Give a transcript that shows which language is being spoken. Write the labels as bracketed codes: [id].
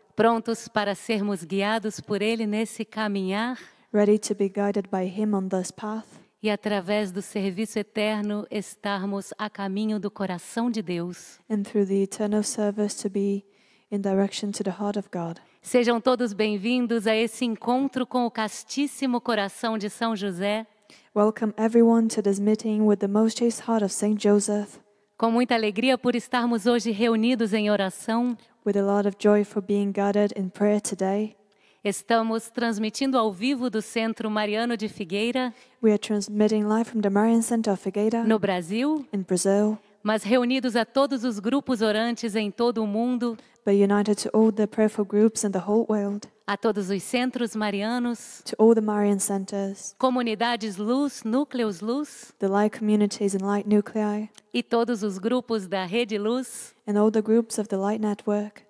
[pt] Prontos para sermos guiados por ele nesse caminhar. [en] Ready to be guided by him on this path. [pt] E através do serviço eterno estarmos a caminho do coração de Deus. [en] And through the eternal service to be in direction to the heart of God. [pt] Sejam todos bem-vindos a esse encontro com o castíssimo coração de São José. [en] Welcome everyone to this meeting with the most chaste heart of Saint Joseph. [pt] Com muita alegria por estarmos hoje reunidos em oração. [en] With a lot of joy for being gathered in prayer today. [pt] Estamos transmitindo ao vivo do Centro Mariano de Figueira. [en] We are transmitting live from the Marian Center of Figueira. [pt] No Brasil. [en] In Brazil. [pt] Mas reunidos a todos os grupos orantes em todo o mundo. [en] But united to all the prayerful groups in the whole world. [pt] A todos os centros marianos. [en] To all the Marian centers. [pt] Comunidades luz, núcleos luz. [en] The light communities and light nuclei. [pt] E todos os grupos da rede luz. [en] And all the groups of the light network.